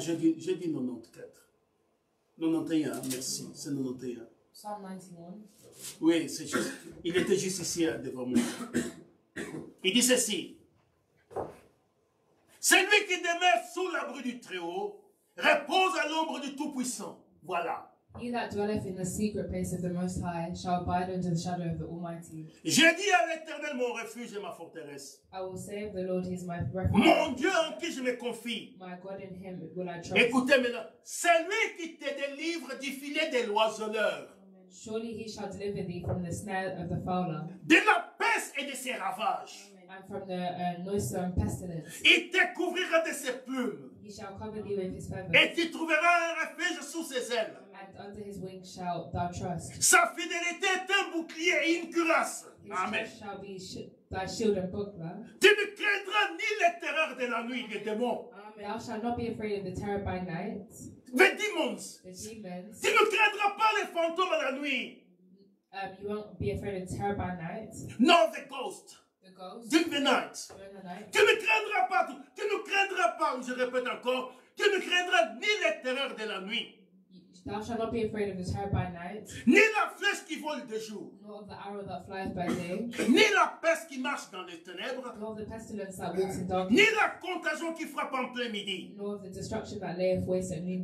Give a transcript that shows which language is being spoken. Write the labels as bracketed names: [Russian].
[French] J'ai dit 94. 91, merci. C'est 91. [English] Psalm 91. [French] Oui, c'est juste. Il était juste ici devant moi. Il dit ceci. Celui qui demeure sous l'abri du Très-Haut repose à l'ombre du Tout-Puissant. Voilà. [English] He that dwelleth in the secret place of the Most High shall abide under the shadow of the Almighty. [French] Je dis à l'Éternel mon refuge et ma forteresse. [English] I will say of the Lord, he is my refuge. [French] Mon Dieu en qui je me confie. [English] My God in him will I trust. [French] Écoutez maintenant. Celui qui te délivre. délivre du filet des l'oiseleur. [English] Surely he shall deliver thee from the snare of the fowler. [French] De la peste et de ses ravages. [English] And from the noisome pestilence. [French] Il te couvrira de ses plumes. [English] He shall cover thee with his feathers. [French] Et tu trouveras un refuge sous ses ailes. [English] And under his wings shall thou trust. [French] Sa fidélité est un bouclier et une cuirasse. [English] Amen. Shall be thy shield and buckler. [French] Tu ne craindras ni les terreurs de la nuit des démons. [English] Thou shalt not be afraid of the terror by night. The demons. The demons. [French] Tu ne craindras pas les fantômes à la nuit. [English] You won't be afraid of terror by night. No, the ghost. The ghost. During the night. During the night. [French] Tu ne craindras pas. Tu ne craindras pas. Je répète encore. Tu ne craindras ni les terreurs de la nuit. [English] Thou shalt not be afraid of the terror by night. [French] Ni la flèche qui vole de jour. [English] Nor of the arrow that flies by day. [French] Ni la peste qui marche dans les ténèbres. [English] Nor of the pestilence that walks in darkness. [French] Ni la contagion qui frappe en plein midi. [English] Nor of the destruction that layeth waste at noon.